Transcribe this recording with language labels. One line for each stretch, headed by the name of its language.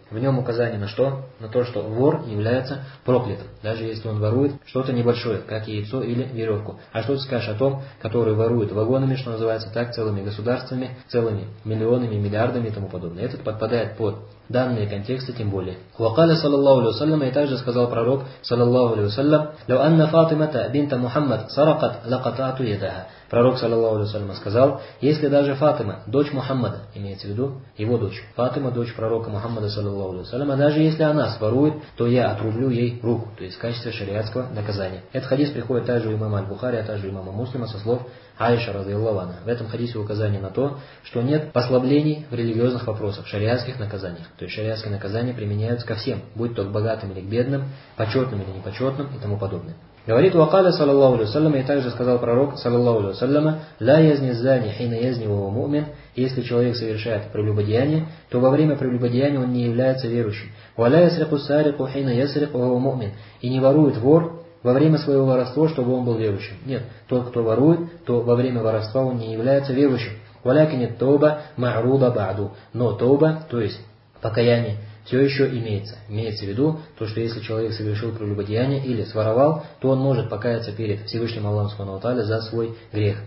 Russian: В нем указание на что? На то, что вор является проклятым, даже если он ворует что-то небольшое, как яйцо или веревку. А что ты скажешь о том, который ворует вагонами, что называется так, целыми государствами, целыми миллионами, миллиардами и тому подобное. Этот подпадает под данные контексты тем более.
Arabic: وَقَالَ صَلَى اللَّهُ عَلَيْهِ وَسَلَّمَ. صلى الله عليه وسلم لو أن فاطمة بنت محمد سرقت لقطعت يدها.
Russian: Пророк, саллаллаху алейхи ва саллям, сказал, если даже Фатима, дочь Мухаммада, имеется в виду его дочь, Фатима, дочь пророка Мухаммада, саллаллаху алейхи ва саллям, а даже если она сворует, то я отрублю ей руку, то есть в качестве шариатского наказания. Этот хадис приходит также у имама Аль-Бухари, а также у имама Муслима со слов Аиша, разъяллаху анха. В этом хадисе указание на то, что нет послаблений в религиозных вопросах, в шариатских наказаниях. То есть шариатские наказания применяются ко всем, будь то к богатым или к бедным, почетным или непочетным и тому подобное. Говорит,
Arabic: وقال صلى الله عليه وسلم,
Russian: и также сказал пророк
Arabic: صلى الله عليه وسلم, لا يزني الزاني حين يزني وهو مؤمن.
Russian: Если человек совершает прелюбодеяние, то во время прелюбодеяния он не является верующим.
Arabic: ولا يسرق السارق حين يسرق وهو مؤمن.
Russian: И не ворует вор во время своего воровства, чтобы он был верующим. Нет, тот, кто ворует, то во время воровства он не является верующим.
Arabic: ولكن التوبة معروضة بعد.
Russian: Но тоба, то есть покаяние, все еще имеется. Имеется в виду то, что если человек совершил прелюбодеяние или своровал, то он может покаяться перед Всевышним Аллахом Субхану ва Тааля за свой грех.